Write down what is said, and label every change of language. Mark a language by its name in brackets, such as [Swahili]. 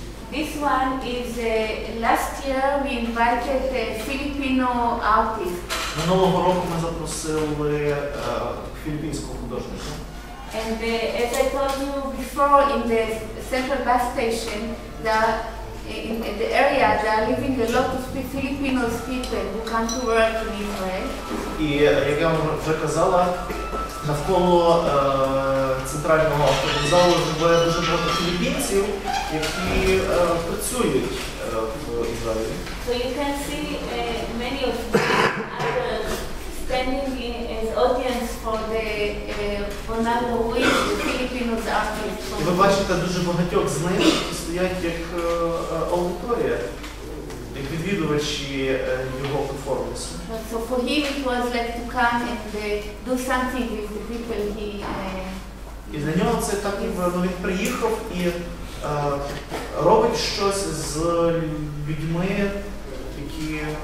[English] This one is last year we invited a Filipino artist. [Ukrainian] Минулого року ми запросили філіппінського художника. [English] And as I told you before, in the central bus station, in the area, there are living a lot of Filipino people who come to work in Israel. [Ukrainian] І як я вам вже казала, навколо центрального автовокзалу живе дуже багато філіппінців, які працюють в Ізраїлі. [English] So you can see many of others standing as audience for the Ronaldo Ruiz, the Filipinos artist. [Ukrainian] І ви бачите дуже багатьох з них, які стоять як аудиторія, як відвідувачі його перформансу. [English] So for him it was like to come and do something with the people he... [Ukrainian] І для нього це так, ну, він приїхав і робить щось з людьми, які...